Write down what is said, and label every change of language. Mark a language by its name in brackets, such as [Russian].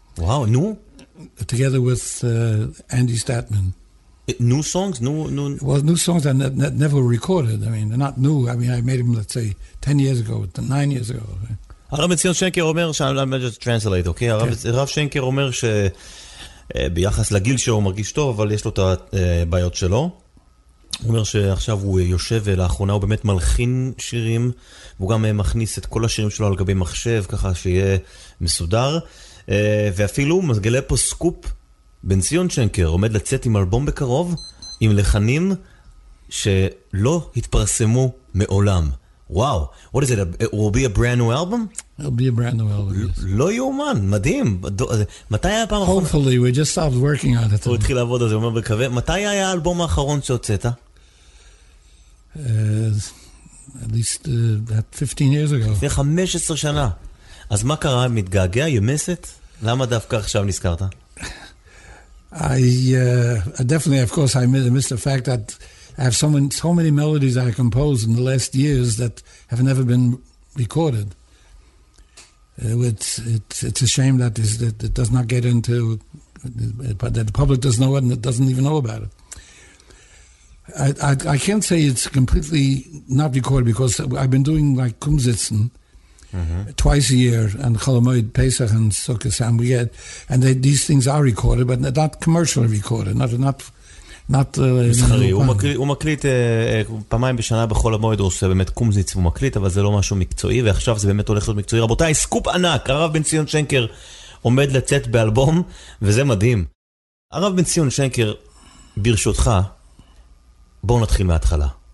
[English] Wow, new? Together with Andy Statman. New songs? New? Well, new songs I never recorded. I mean, they're not new. I mean, I made them, let's say, 10 years ago, 9 years ago. [Hebrew] הרב ציון שנקר אומר, [English] I'm just translate, okay? [Hebrew] הרב שנקר אומר ש... ביחס לגיל שהוא מרגיש טוב, אבל יש לו את הבעיות שלו. הוא אומר שעכשיו הוא יושב לאחרונה, הוא באמת מלחין שירים, והוא גם מכניס את כל השירים שלו על גבי מחשב, ככה שיהיה מסודר. ואפילו מגלה פה סקופ, בן ציון שנקר, עומד לצאת עם אלבום בקרוב, עם לחנים שלא התפרסמו מעולם. וואו, [English] what is it? It will be a brand new album? It'll be a brand new album, yes. [Hebrew] לא יאומן, מדהים. מתי היה הפעם האחרונה? [English] Hopefully, we just stopped working on it. [Hebrew] הוא התחיל לעבוד על זה, הוא אומר בקווה. מתי היה האלבום האחרון שהוצאת? [English] At least 15 years ago. [Hebrew] לפני 15 שנה. אז מה קרה? מתגעגע? ימסת? למה דווקא עכשיו נזכרת? [English] I definitely, of course, I missed the fact that I have so many melodies I composed in the last years that have never been recorded. It's a shame that it does not get into, but that the public doesn't know it and it doesn't even know about it. I can't say it's completely not recorded because I've been doing like Kumsitzen twice a year and Cholamoid Pesach and Sukkot and we get, and these things are recorded, but they're not commercially recorded, not [Hebrew] מסחרי. הוא מקליט פעמיים בשנה בכל המועד, הוא עושה באמת קומזיץ ומקליט, אבל זה לא משהו מקצועי, ועכשיו זה באמת הולך להיות מקצועי. רבותיי, סקופ ענק, הרב בן ציון שנקר עומד לצאת באלבום, וזה מדהים. הרב בן ציון שנקר, ברשותך, בואו נתחיל מההתחלה.